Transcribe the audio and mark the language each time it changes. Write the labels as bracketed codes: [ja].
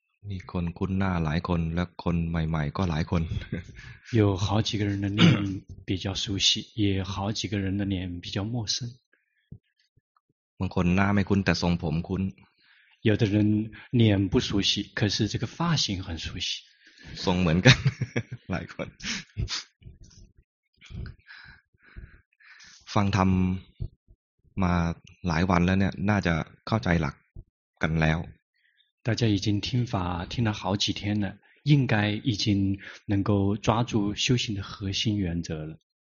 [th] มีคนคุ้นหน้าหลายคนและคนใหม่ๆก็หลายคน [zh] 有好几个人的脸比较熟悉也好几个人的脸比较陌生 [th] บางคนหน้าไม่คุ้นแต่ทรงผมคุ้น [zh] 有的人脸不熟悉可是这个发型很熟悉 [th] ทรงเหมือนกันหลายคนฟังธรรมมาหลายวันแล้วเนี่ยน่าจะเข้าใจหลักกันแล้ว [zh] 大家已经听法听了好几天了应该已经能够抓住修行的核心原则了